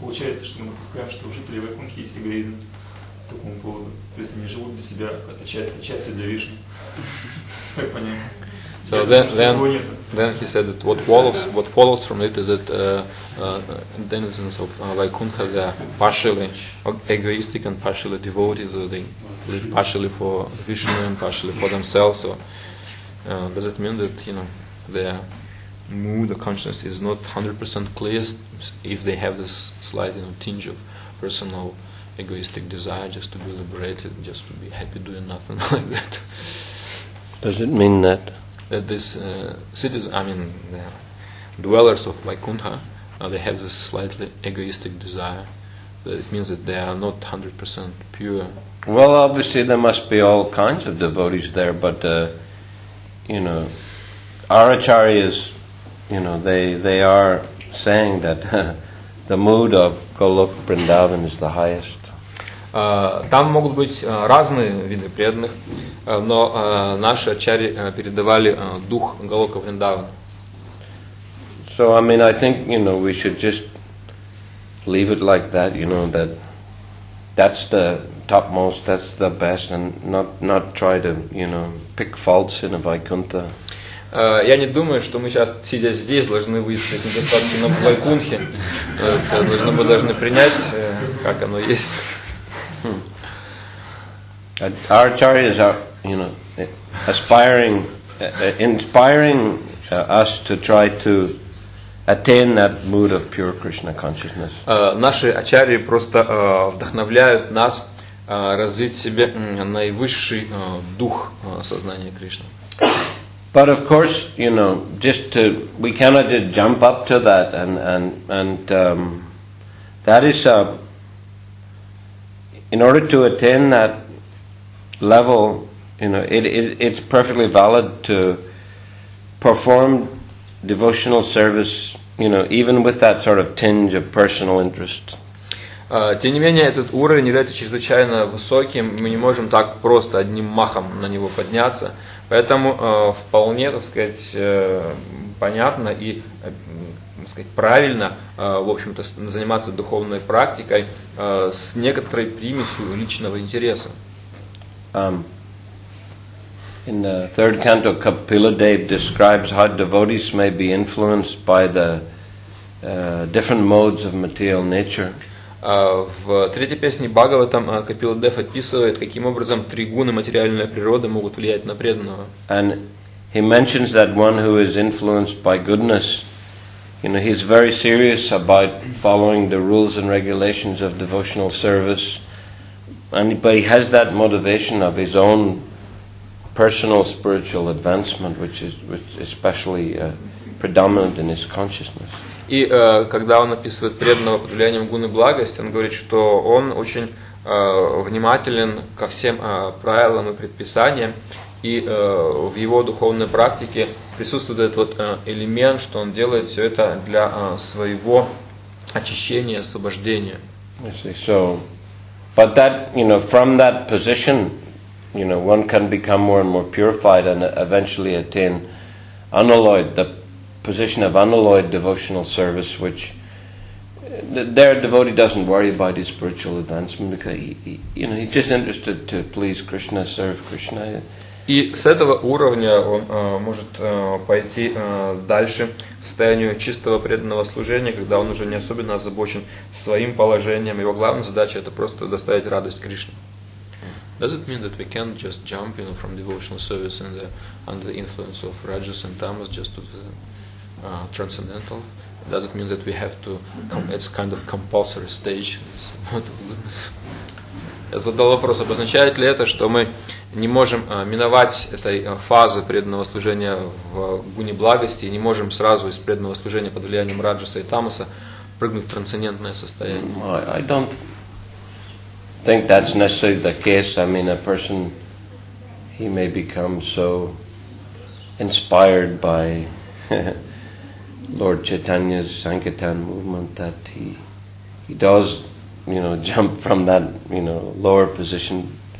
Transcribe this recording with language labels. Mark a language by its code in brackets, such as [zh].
[ru] Получается, что мы допускаем, что у жителей Вайкунтхи есть эгоизм по такому поводу. То есть они живут для себя, это часть, для Вишны. Так понять. [en] So then he said that what follows from it is that denizens of Vaikuntha, they are partially egoistic and partially devoted, so they live partially for Vishnu and partially for themselves. So does it mean that, you know, they're mood or consciousness is not 100% clear if they have this slight, you know, tinge of personal egoistic desire just to be liberated, just to be happy doing nothing like that. Does it mean that? That this the dwellers of Vaikuntha, they have this slightly egoistic desire. That it means that they are not 100% pure. Well, obviously there must be all kinds of devotees there, but, you know, our acharyas, you know, they are saying that the mood of Golok Vrindavan is the highest. [ru] Там могут быть разные виды преданных, но наши ачари передавали дух Голока Вриндавана. [en] So, I mean, I think, you know, we should just leave it like that, you know, that's the topmost, that's the best, and not try to, you know, pick faults in a Vaikuntha. [ru] Я не думаю, что мы сейчас, сидя здесь, должны выяснить недостатки на Вайкунтхе. Мы должны принять, как оно есть. [en] Our acharyas are, you know, inspiring us to try to attain that mood of pure Krishna consciousness. [ru] Наши ачарьи просто вдохновляют нас развить в себе наивысший дух сознания Кришны. [en] But of course, you know, we cannot just jump up to that, and that is a. In order to attain that level, you know, it's perfectly valid to perform devotional service, you know, even with that sort of tinge of personal interest. [ru] Тем не менее, этот уровень является чрезвычайно высоким, мы не можем так просто одним махом на него подняться. Поэтому вполне, так сказать, понятно и, так сказать, правильно, в общем-то, заниматься духовной практикой с некоторой примесью личного интереса. [en] In the third canto, Kapila Dev describes how devotees may be influenced by the different modes of material nature. [ru] В третьей песне Бхагаватам Капила Дев описывает, каким образом три гуны материальной природы могут влиять на преданного. [en] And he mentions that one who is influenced by goodness, you know, he's very serious about following the rules and regulations of devotional service, and but he has that motivation of his own personal spiritual advancement, which is especially predominant in his consciousness. [ru] И когда он описывает преданного под влиянием гуны благости, он говорит, что он очень внимателен ко всем правилам и предписаниям, и в его духовной практике присутствует этот вот элемент, что он делает все это для своего очищения, освобождения. [en] So, but that, you know, from that position, you know, one can become more and more purified and eventually attain unalloyed, the position of unalloyed devotional service, which there a devotee doesn't worry about his spiritual advancement because he's just interested to please Krishna, serve Krishna. [ru] И с этого уровня он может пойти дальше к состоянию чистого преданного служения, когда он уже не особенно озабочен своим положением. Его главная задача — это просто доставить радость Кришне. [en] Does it mean that we can just jump, you know, from devotional service and under the influence of Rajas and Tamas just to the transcendental? Does it mean that we have to come, it's kind of compulsory stage? [ru] Я задал вопрос, обозначает ли это, что мы не можем миновать этой фазы преданного служения в гуне благости и не можем сразу из преданного служения под влиянием Раджаса и Тамаса прыгнуть в трансцендентное состояние? [en] I don't think that's necessarily the case. I mean, a person, he may become so inspired by Lord Chaitanya's Sankirtan movement that he does, you know, jump from that, you know, lower position.